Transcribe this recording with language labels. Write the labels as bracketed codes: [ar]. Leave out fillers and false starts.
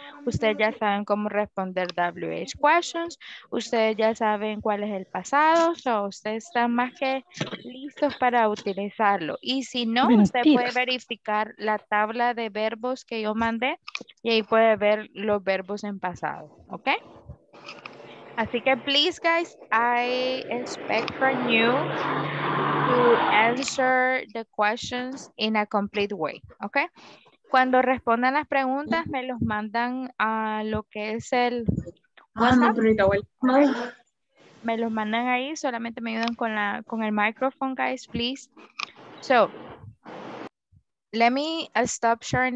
[es] Ustedes ya saben cómo responder WH questions, ustedes ya saben cuál es el pasado, so ustedes están más que listos para utilizarlo. Y si no, usted puede verificar la tabla de verbos que yo mandé y ahí puede ver los verbos en pasado, ¿ok? Así que, [en] please, guys, I expect from you to answer the questions in a complete way, okay? [es] Cuando respondan las preguntas, me los mandan a lo que es el me los mandan ahí, solamente me ayudan con el micrófono, guys, please. [en] So, let me stop sharing.